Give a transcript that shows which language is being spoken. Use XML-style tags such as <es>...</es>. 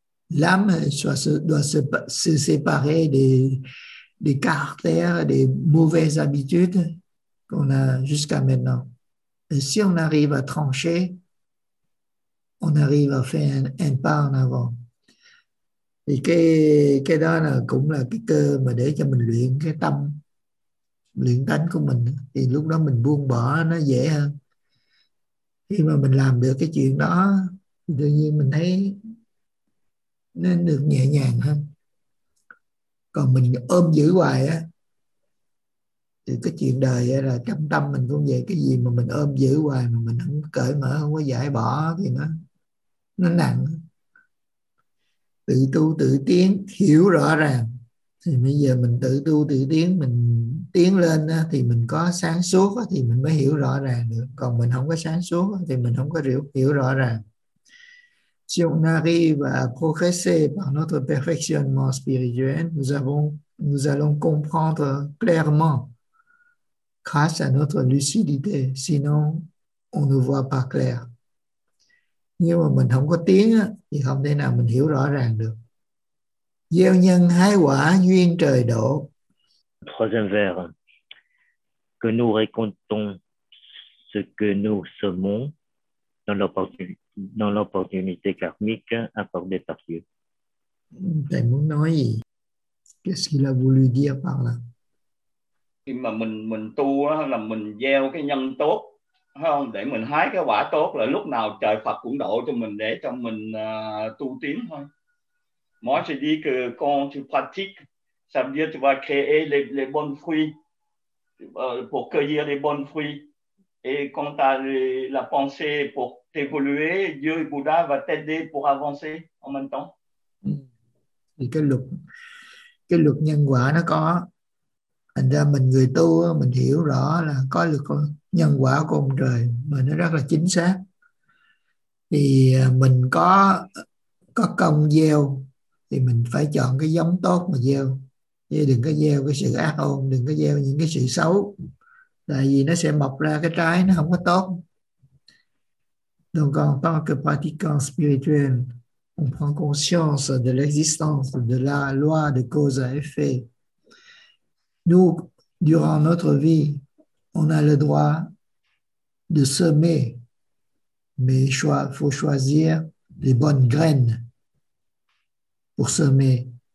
<fr>L'âme doit se séparer des caractères, des mauvaises habitudes qu'on a jusqu'à maintenant. Et si on arrive à trancher, on arrive à faire un pas en avant. Et</fr> <vi>cái đó là cũng là cái cơ mà để cho mình luyện cái tâm, luyện tánh của mình. Thì lúc đó mình buông bỏ nó dễ hơn. Khi mà mình làm được cái chuyện đó thì tự nhiên mình thấy nó được nhẹ nhàng hơn. Còn mình ôm giữ hoài á thì cái chuyện đời á, là trong tâm mình cũng vậy, cái gì mà mình ôm giữ hoài mà mình không cởi mở, không có giải bỏ thì nó nặng. Tự tu tự tiến, hiểu rõ ràng thì bây giờ mình tự tu tự tiến, mình tiến lên á, thì mình có sáng suốt á, thì mình mới hiểu rõ ràng được. Còn mình không có sáng suốt á, thì mình không có hiểu hiểu rõ ràng.</vi> <fr>Si on arrive à progresser par notre perfectionnement spirituel, nous allons comprendre clairement grâce à notre lucidité, sinon on ne voit pas clair.</fr> <vi>Nhưng mà mình không có tiếng á, thì không thể nào mình hiểu rõ ràng được. Gieo nhân hái quả, duyên trời độ.</vi> <fr>Troisième vers, que nous récoltons ce que nous semons dans l'opportunité karmique accordée par Dieu.</fr> <vi>Thầy muốn nói gì?</vi> <fr>Qu'est-ce qu'il a voulu dire par là?</fr> <vi>Khi mà mình tu là mình gieo cái nhân tốt, không, để mình hái cái quả tốt, là lúc nào trời Phật cũng độ cho mình để cho mình tu tiến thôi.</vi> <fr>Moi, je dis que quand tu pratiques, ça veut dire que tu vas créer les bonnes fruits pour cueillir les bonnes fruits. Et quand tu as la pensée pour t'évoluer, Dieu et Bouddha va t'aider pour avancer en même temps.</fr> <vi>Thì cái luật nhân quả nó có, thành ra mình người tu mình hiểu rõ là có luật nhân quả của ông trời mà nó rất là chính xác. Thì mình có công gieo thì mình phải chọn cái giống tốt mà gieo, chứ đừng có gieo cái sự ác ôn, đừng có gieo những cái sự xấu, tại vì nó sẽ mọc ra cái trái nó không có tốt.</vi> <fr>Donc en tant que pratiquant spirituel, on prend conscience de l'existence de la loi de cause à effet. Nous, durant notre vie, on a le droit de semer, mais faut choisir les bonnes graines pour semer.</fr>